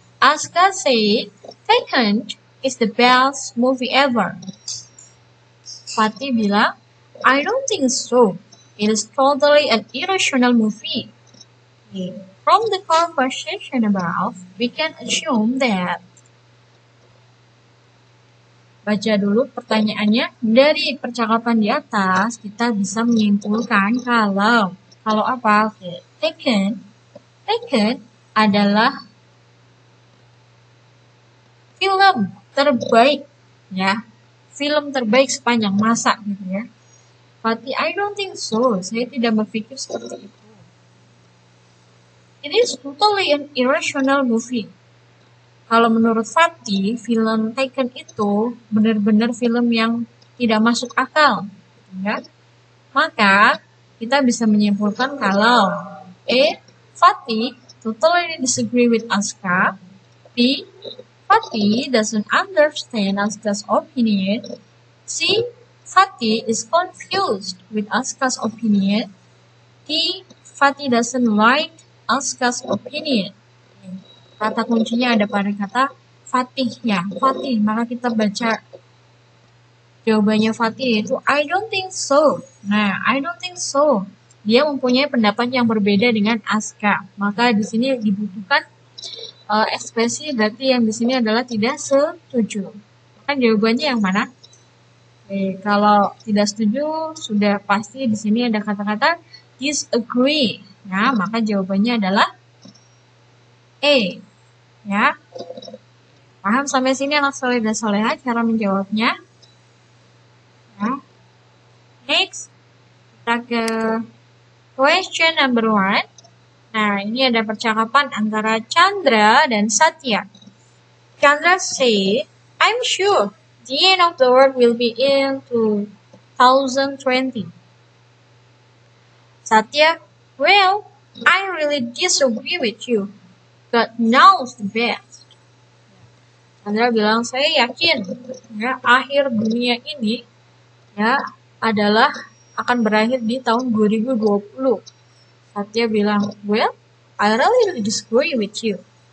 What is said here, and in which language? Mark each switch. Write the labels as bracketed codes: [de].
[en] Aska say, Taken is the best movie ever. Fatih bilang, I don't think so. It is totally an irrational movie. Okay. From the conversation above, we can assume that. [id] Baca dulu pertanyaannya. Dari percakapan di atas, kita bisa menyimpulkan kalau apa? Okay. Taken adalah film terbaik, ya. Film terbaik sepanjang masa, gitu, ya. Fatih, [en] I don't think so. [id] Saya tidak berpikir seperti itu. [en] It is totally an irrational movie. [id] Kalau menurut Fatih, film Taken itu benar-benar film yang tidak masuk akal. Ya? Maka, kita bisa menyimpulkan kalau A. [en] Fatih totally disagree with Aska. B. Fatih doesn't understand Aska's opinion. C. Fatih is confused with Aska's opinion. D. Fatih doesn't like ask us opinion. [id] Kata kuncinya ada pada kata Fatih ya. Fatih, maka kita baca jawabannya Fatih itu [en] I don't think so. [id] Nah, [en] I don't think so. [id] Dia mempunyai pendapat yang berbeda dengan Aska. Maka di sini dibutuhkan ekspresi berarti yang di sini adalah tidak setuju. Kan jawabannya yang mana? Oke, kalau tidak setuju sudah pasti di sini ada kata-kata disagree. Nah, maka jawabannya adalah A. Ya. Paham sampai sini anak soleh dan soleha cara menjawabnya? Ya. [en] Next, [id] kita ke [en] question number one. [id] Nah, ini ada percakapan antara Chandra dan Satya. [en] Chandra say, I'm sure the end of the world will be in 2020. Satya, well, I really disagree with you. God knows the best. [id] Chandra bilang, saya yakin ya, akhir dunia ini ya adalah akan berakhir di tahun 2020. [en] Satya bilang, well, I really disagree with you.